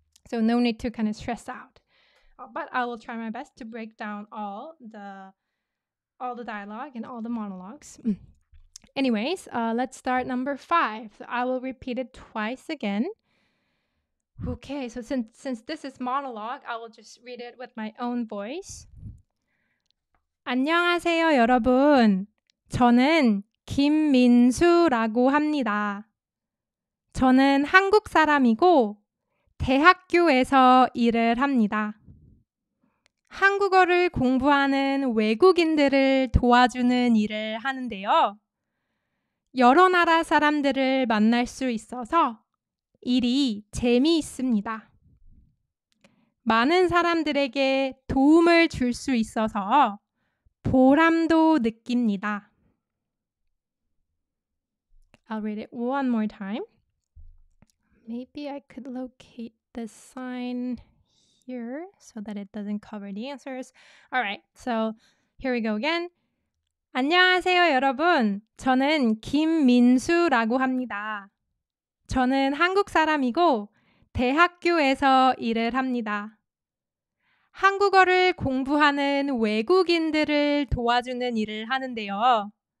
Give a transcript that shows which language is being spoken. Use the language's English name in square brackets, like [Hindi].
[English] So no need to kind of stress out. But I will try my best to break down all the dialogue and all the monologues. Anyways, let's start number five. So I will repeat it twice again. Okay, so since this is monologue, I will just read it with my own voice. [Korean] 안녕하세요, 여러분. 저는 김민수라고 합니다. 저는 한국 사람이고 대학교에서 일을 합니다. 한국어를 공부하는 외국인들을 도와주는 일을 하는데요. 여러 나라 사람들을 만날 수 있어서 일이 재미있습니다. 많은 사람들에게 도움을 줄 수 있어서 보람도 느낍니다. [English] I'll read it one more time. Maybe I could locate the sign here so that it doesn't cover the answers. All right, so here we go again. [Korean] 안녕하세요, 여러분. 저는 김민수라고 합니다. 저는 한국 사람이고 대학교에서 일을 합니다. 한국어를 공부하는 외국인들을 도와주는 일을 하는데요.